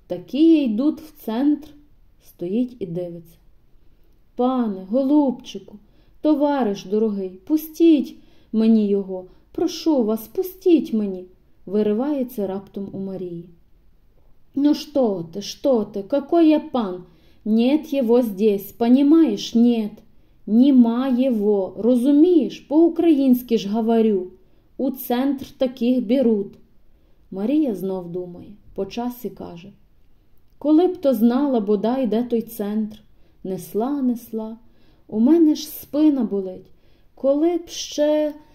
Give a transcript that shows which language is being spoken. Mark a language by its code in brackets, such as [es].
[uk] Такі йдуть в центр. Стоїть і дивиться. Пане, голубчику, товариш дорогий, пустіть мені його. «Прошу вас, пустіть мені!» – виривається раптом у Марії. «Ну що ти, [ru] какой [uk] я пан? [ru] Нет его здесь, понимаєш, нет? [uk] Немає его, розумієш, по-українськи ж говорю. У центр таких беруть!» Марія знов думає, по часі каже. «Коли б то знала, бодай, де той центр? Несла, несла. У мене ж спина болить. Коли б ще...